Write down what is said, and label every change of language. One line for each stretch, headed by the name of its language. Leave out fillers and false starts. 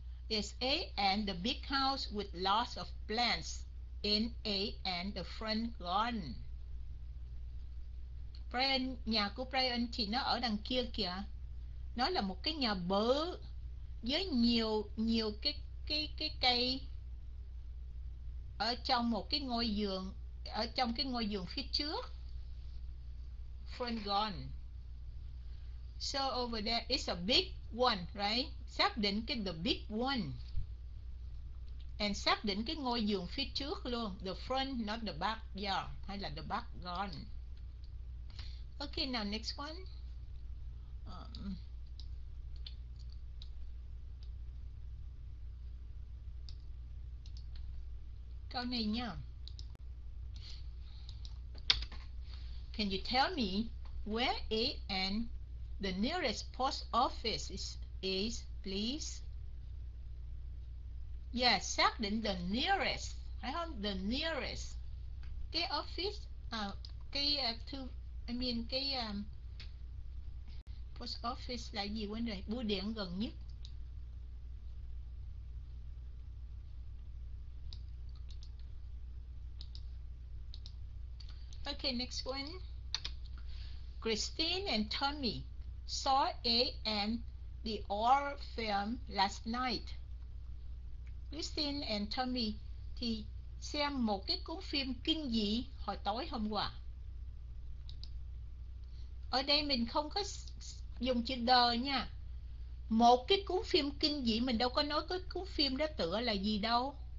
English: Is A and the big house with lots of plants in A and the front garden.
Vietnamese: Brian, nhà của Brian thì nó ở đằng kia kìa. Nó là một cái nhà bự với nhiều nhiều cái cây ở trong một cái ngôi vườn, ở trong cái ngôi vườn phía trước.
English: Front garden. So over there is a big one, right?
Vietnamese: Xác định cái the big one. And xác định cái ngôi vườn phía trước luôn.
English: The front, not the back yard.
Vietnamese: Hay là
English: the back garden. Okay, now next one.
Vietnamese: Câu này nha.
English: Can you tell me where A and the nearest post office is please?
Vietnamese: Yeah, xác định the nearest, phải không? The nearest cái office, post office là gì, quên rồi, bưu điện gần nhất.
English: Okay, next one. Christine and Tommy saw A and the old film last night.
Vietnamese: Christine and Tommy thì xem một cái cuốn phim kinh dị hồi tối hôm qua. Ở đây mình không có dùng chữ the nha. Một cái cuốn phim kinh dị, mình đâu có nói cái cuốn phim đó tựa là gì đâu.